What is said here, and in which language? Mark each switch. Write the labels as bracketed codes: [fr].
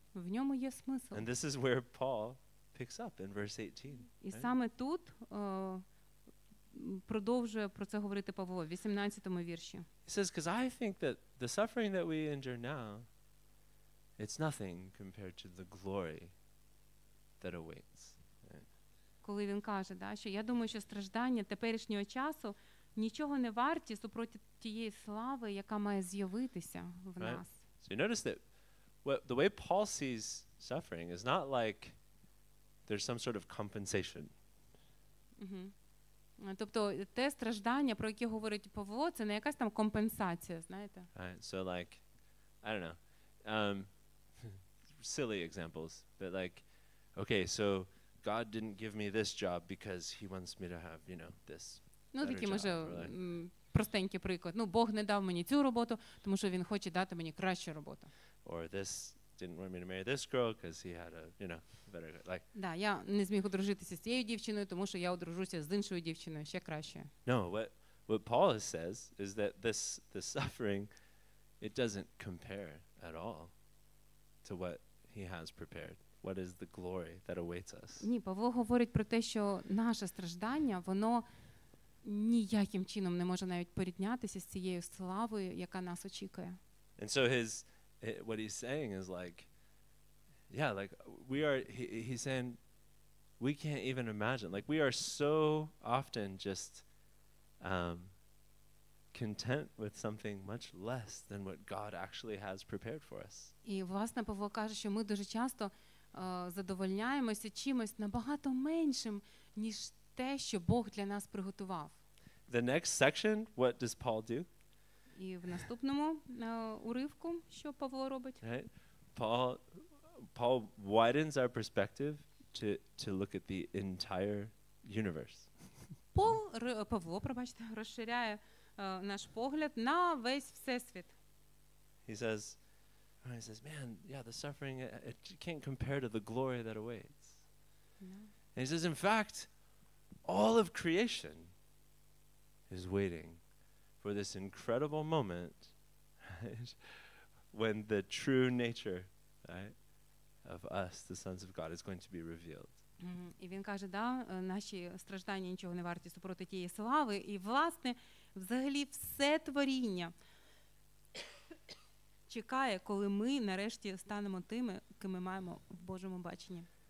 [uk] В ньому є смисл. [en] And this is where Paul picks up in verse 18. [uk] І саме тут продовжує про це говорити Павло в 18-му вірші. [en] He says, because I think that the suffering that we endure now, it's nothing compared to the glory that awaits. [uk] Коли він каже, да, що я думаю, що страждання теперішнього часу нічого не варті супроти тієї слави, яка має з'явитися в нас. [en] So you notice that the way Paul sees suffering is not like there's some sort of compensation. [uk] Тобто те страждання, про яке говорить Павло, це не якась там компенсація, знаєте? [en] Right, so like, I don't know, silly examples, but like, okay, so God didn't give me this job because he wants me to have, you know, this. [uk] Ну, такий, може, простенький приклад. Ну, Бог не дав мені цю роботу, тому що він хоче дати мені кращу роботу. [en] Or this didn't want me to marry this girl because he had a, you know, better, like. [uk] Да, я не зміг одружитися з цією дівчиною, тому що я одружуся з іншою дівчиною, ще краще. [en] No, what Paul says is that the suffering, it doesn't compare at all to what he has prepared. What is the glory that awaits us? [uk] Ні, Павло говорить про те, що наше страждання, воно ніяким чином не може навіть порівнятися з цією славою, яка нас очікує. [en] And so what he's saying is like, yeah, like we are, he's saying, we can't even imagine, like we are so often just content with something much less than what God actually has prepared for us. [uk] І, власне, Павло каже, що ми дуже часто задовольняємося чимось набагато меншим, ніж те, що Бог для нас приготував. [en] The next section, what does Paul do? [uk] І в наступному уривку, що Павло робить? [en] Right? Paul widens our perspective to look at the entire universe. [uk] Павло розширяє наш погляд на весь Всесвіт. [en] He says, man, yeah, the suffering, it can't compare to the glory that awaits. No. And he says, in fact, all of creation is waiting for this incredible moment, right, when the true nature, right, of us, the sons of God, is going to be revealed. [uk] І він каже, да, наші страждання нічого не варті супроти тієї слави, і, власне, взагалі все творіння чекає, коли ми нарешті станемо тими, ким ми маємо в Божому баченні.